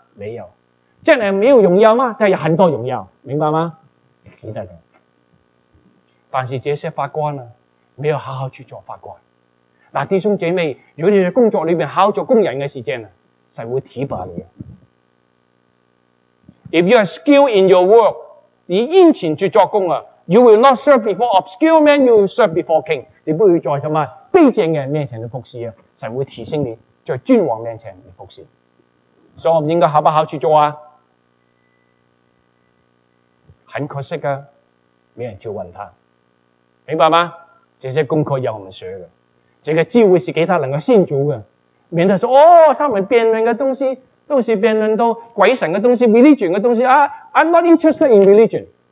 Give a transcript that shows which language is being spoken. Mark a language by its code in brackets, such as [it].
[zh] 没有。这样没有荣耀吗？他有很多荣耀，明白吗？值得的。但是这些法官呢，没有好好去做法官。那弟兄姐妹，如果你在工作里面好做工人的时间，神会提拔你。 [en] If you are skilled in your work, [zh] 你殷勤去做工啊， [en] you will not serve before obscure men, you will serve before king. [zh] 你不会在什么卑贱的人面前去服侍啊，神会提升你在君王面前去服侍。所以我们应该好不好去做啊？很可惜啊，没人去问他。明白吗？这些功课要我们学的。这个机会是给他能够信主的，免得说哦，他们辩论的东西都是辩论到鬼神的东西 ，religion 的东西啊 ， [en] I'm not interested in religion。